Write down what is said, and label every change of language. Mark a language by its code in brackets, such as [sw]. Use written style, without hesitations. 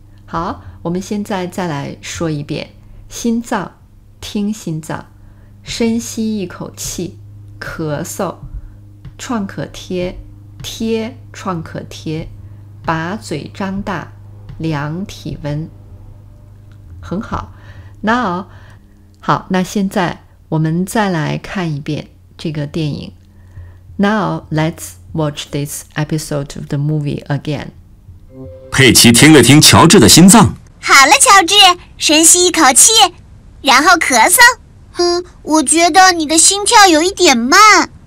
[zh] 好，我们现在再来说一遍，心脏，听心脏，深吸一口气，咳嗽，创可贴，贴创可贴，把嘴张大，量体温。很好 ，Now， 好，那现在我们再来看一遍这个电影。 [en] Now let's watch this episode of the movie again。 [zh] 佩奇听了听乔治的心脏。好了，乔治，深吸一口气，然后咳嗽。我觉得你的心跳有一点慢，